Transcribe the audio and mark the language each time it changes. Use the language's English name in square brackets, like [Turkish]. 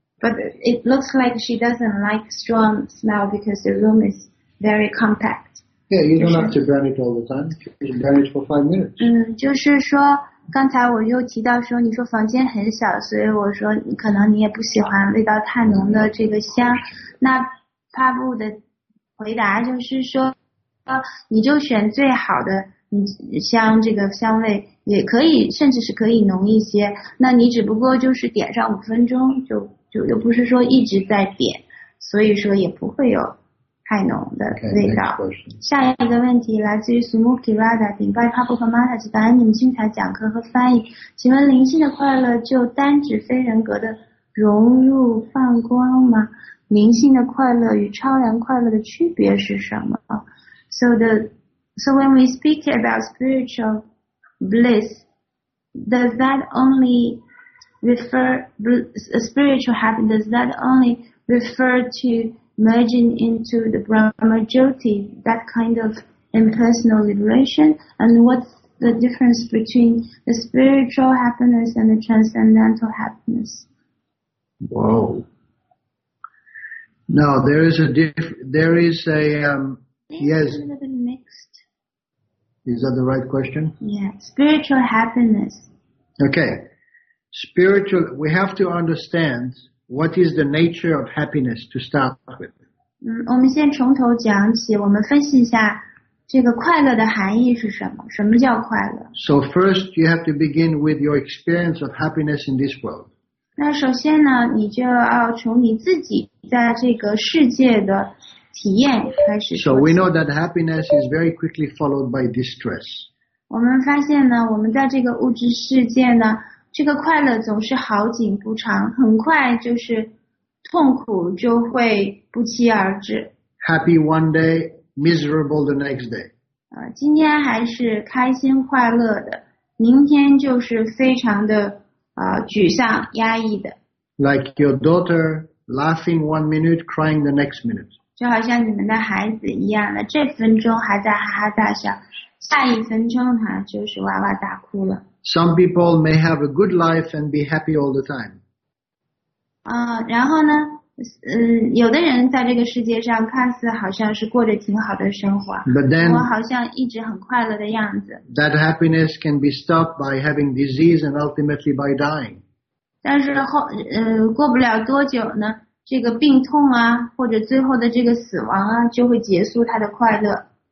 [English] But it looks like she doesn't like strong smell because the room is very compact. Yeah, you don't have to burn it all the time. You can burn it for 5 minutes. [Chinese] 就是说刚才我又提到说，你说房间很小，所以我说你可能你也不喜欢味道太浓的这个香。那帕布的回答就是说，你就选最好的香，这个香味也可以，甚至是可以浓一些。那你只不过就是点上五分钟，就又不是说一直在点，所以说也不会有太浓的味道。 [English] Okay, [Chinese] 下一个问题来自于 Sumukhi Radha， 顶拜帕布和 Mataji， 感恩你们精彩讲课和翻译。请问灵性的快乐就单指非人格的融入放光吗？灵性的快乐与超然快乐的区别是什么 ？ [English] So when we speak about spiritual bliss, does that only refer spiritual happiness? Does that only refer to merging into the Brahma Jyoti, that kind of impersonal liberation? And what's the difference between the spiritual happiness and the transcendental happiness? Whoa. No, there is a a little bit mixed. Is that the right question? Yeah, spiritual happiness. Okay. Spiritual, we have to understand what is the nature of happiness to start with. [Chinese] 我们先从头讲起，我们分析一下这个快乐的含义是什么，什么叫快乐。 [English] So first, you have to begin with your experience of happiness in this world. [Chinese] 那首先呢，你就要从你自己在这个世界的体验开始。 [English] So we know that happiness is very quickly followed by distress. [Chinese] 我们发现呢，我们在这个物质世界呢，这个快乐总是好景不长，很快就是痛苦就会不期而至。 [English] Happy one day, miserable the next day. [Chinese] 今天还是开心快乐的，明天就是非常的沮丧压抑的。 [English] Like your daughter laughing 1 minute, crying the next minute. [Chinese] 就好像你们的孩子一样的，这分钟还在哈哈大笑，下一分钟他就是哇哇大哭了。 [English] Some people may have a good life and be happy all the time. [Chinese] 然后呢，有的人在这个世界上看似好像是过着挺好的生活， [English] but then, [Chinese] 我好像一直很快乐的样子。 [English] That happiness can be stopped by having disease and ultimately by dying. [Chinese] 但是过不了多久呢，这个病痛啊，或者最后的这个死亡啊，就会结束他的快乐。